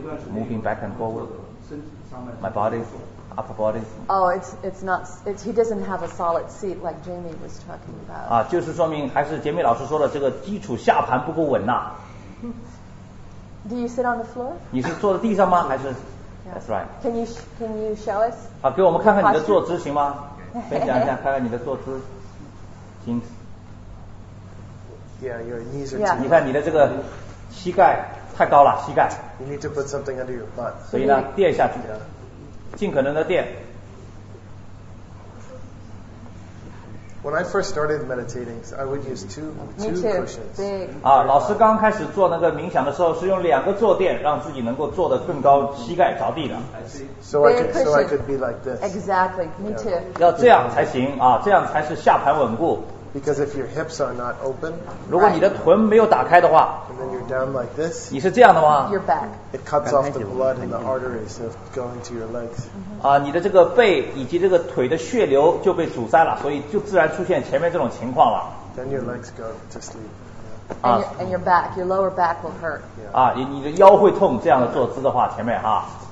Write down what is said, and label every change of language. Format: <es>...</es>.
<en>Moving back and forward. My body, upper body. Oh, it's not. It's, he doesn't have a solid seat like Jamie was talking about.</en> <zh>啊，就是说明还是杰米老师说的这个基础下盘不够稳呐。</zh> <en>Do you sit on the floor?</en> <zh>你是坐在地上吗？还是</zh> <en>yeah. That's right. Can you show us?</en> <zh>啊，给我们看看你的坐姿行吗？分享一下，看看你的坐姿，行。</zh> <en>Yeah, your knees are too.</en> <zh>你看你的这个膝盖太高了，膝盖。</zh> <en>You need to put something under your butt.</en> <zh>所以呢，垫下去，尽可能的垫。</zh> <en>When I first started meditating, I would use two cushions.</en> <zh>啊，老师刚开始做那个冥想的时候，是用两个坐垫让自己能够坐得更高，膝盖着地的。</zh> <en>So I could be like this. Exactly, me too.</en> <zh>要这样才行啊，这样才是下盘稳固。</zh> <en>Because if your hips are not open,</en> <zh>如果你的臀没有打开的话</zh> <en>and then you're down like this,</en> <zh>你是这样的吗</zh> <en>your back. It cuts off the blood in the arteries of going to your legs.</en> <zh>啊，你的这个背以及这个腿的血流就被阻塞了，所以就自然出现前面这种情况了。</zh> <en>Then your legs go to sleep. And your back, your lower back will hurt.</en> <zh>啊，你的腰会痛，这样的坐姿的话，前面哈。</zh>